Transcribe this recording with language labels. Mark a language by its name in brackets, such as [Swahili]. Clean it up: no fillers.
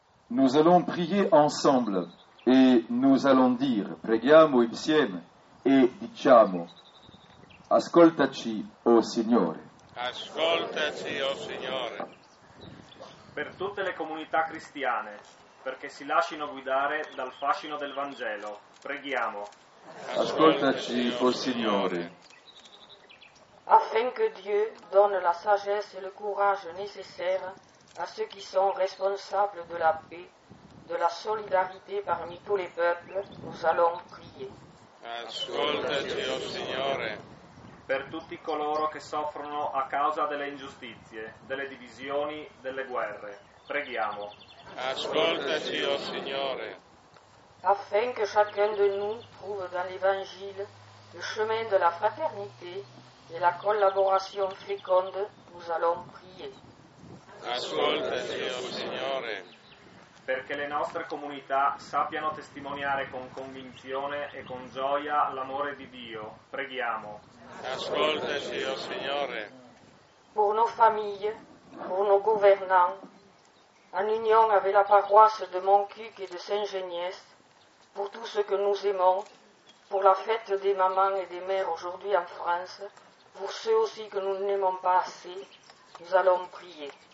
[French] Nous allons prier ensemble et nous allons dire, [Italian] preghiamo insieme e diciamo, ascoltaci, o Signore. Ascoltaci, o Signore. Per tutte le comunità cristiane, perché si lasciano guidare dal fascino del Vangelo, preghiamo. Ascoltaci, o Signore. [French] Afin que Dieu donne la sagesse et le courage nécessaire à ceux qui sont responsables de la paix, de la solidarité parmi tous les peuples, nous allons prier. [Italian] Ascoltaci, o Signore. Per tutti coloro che soffrono a causa delle ingiustizie, delle divisioni, delle guerre, preghiamo. Ascoltaci, o Signore. [French] Afin que chacun de nous trouve dans l'Évangile le chemin de la fraternité et la collaboration féconde, nous allons prier. [Italian] Ascoltaci, o Signore. Perché le nostre comunità sappiano testimoniare con convinzione e con gioia l'amore di Dio, preghiamo. Ascoltaci, o Signore. [French] Pour nos familles, pour nos gouvernants, en union avec la paroisse de Montcuq et de Saint-Géniès, pour tous ceux que nous aimons, pour la fête des mamans et des mères aujourd'hui en France, pour ceux aussi que nous n'aimons pas assez, nous allons prier.